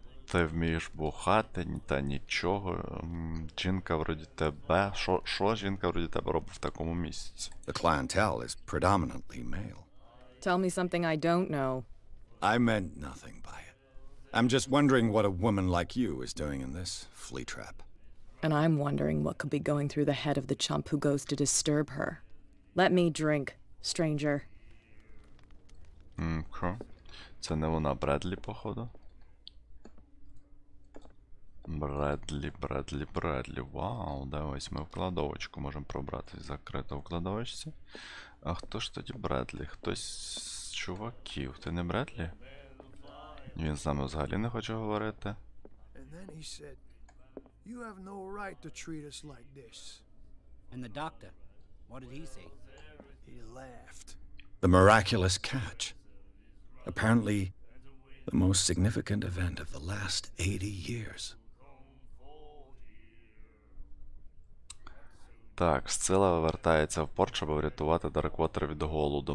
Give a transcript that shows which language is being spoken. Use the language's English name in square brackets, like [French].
[Ukrainian] Ти вмієш бухати, та нічого. Жінка вроді тебе. Що жінка вроді тебе робить в такому місці? [English] The clientele is predominantly male. Tell me something I don't know. I meant nothing by it. I'm just wondering what a woman like you is doing in this flea trap. And I'm wondering what could be going through the head of the chump who goes to disturb her. Let me drink, stranger. Mm-hmm. [Ukrainian] Це не вона, Бредлі, походу. Бредлі. Вау, дивись, ми вкладовочку можемо пробратись закрито в кладовочці. А хто ж тоді Бредлі? Хтось з чуваків. Ти не Бредлі? Він з нами взагалі не хоче говорити. [English] And then he said, you have no right to treat us like this. And the doctor, what did he say? He laughed. The miraculous catch. Apparently, the most significant event of the last 80 years. [Ukrainian] Так, Сцила вертається в порт, щоб врятувати Дарквотер від голоду.